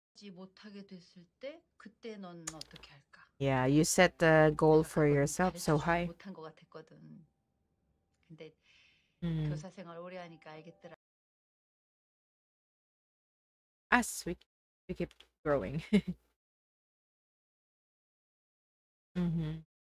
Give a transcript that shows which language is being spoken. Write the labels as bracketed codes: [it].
[ko] 못하게 됐을 때 그때 넌 어떻게 할까? [en] Yeah, you set the goal for yourself so high. [ko] 못한 거 같았거든. 근데 교사 생활 오래 하니까 알겠더라. [en] As we keep growing. Mm-hmm.